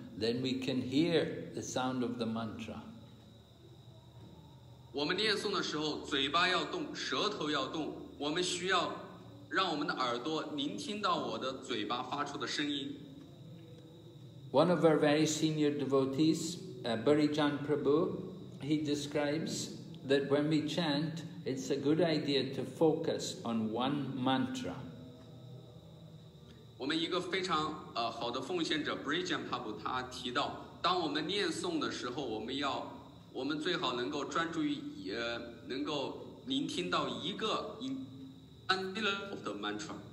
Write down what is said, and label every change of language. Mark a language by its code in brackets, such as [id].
[en] Then we can hear the sound of the mantra. [zh] 我们念诵的时候，嘴巴要动，舌头要动。我们需要让我们的耳朵聆听到我的嘴巴发出的声音。 [en] One of our very senior devotees, Burijan Prabhu, he describes that when we chant, it's a good idea to focus on one mantra. [zh] 我们一个非常好的奉献者 Brijan Prabhu 他提到，当我们念诵的时候，我们最好能够专注于能够聆听到一个音 [en] of the mantra.